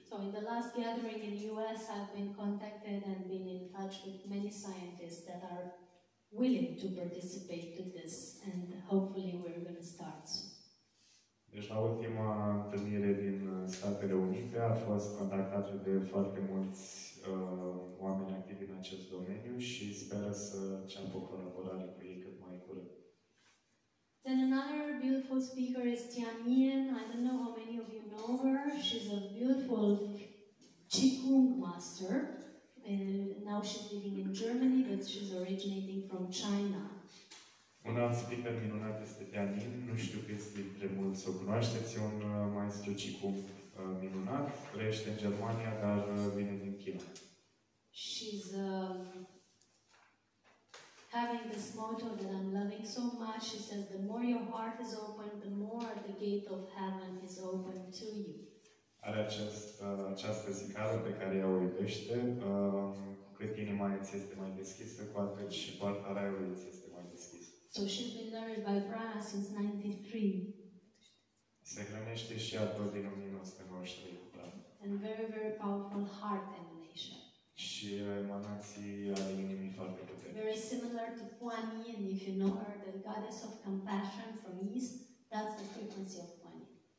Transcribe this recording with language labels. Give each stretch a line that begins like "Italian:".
English: So in the last gathering in US, I've been contacted and been in touch with many scientists that are willing to participate to this and hopefully we're going to start.
Romanian: Deci la ultima întâlnire din Statele Unite a fost contactat de foarte mulți oameni activi în acest domeniu și speră să înceapă colaborare cu ei cât mai curând.
English: Then another beautiful speaker is Tian Yin. I don't know how many of you know her. She's a beautiful Qigong master. Now she's living in Germany, but she's originating from China.
Romanian: Un alt speaker minunat este Dianin, nu știu câți dintre mulți să o cunoașteți, e un maestru Qigong minunat, trăiește în Germania, dar vine din China.
English: She's having this motto that I'm loving so much. She says, the more your heart is open, the more the gate of heaven is open to you.
Romanian: Are această zicală pe care ea o iubește, cât inima îți este mai deschisă, cu atât și poarta raiului îți este mai deschisă.
English: So she's been learned by Prana since 93.
Romanian: Se hrănește și ea tot din 1993.
English: And very, very powerful heart emanation.
Romanian: Și emanații ale inimii foarte puternice.
English: Very similar to Kuan Yin, if you know her, the goddess of compassion from East, that's the frequency of Kuan Yin.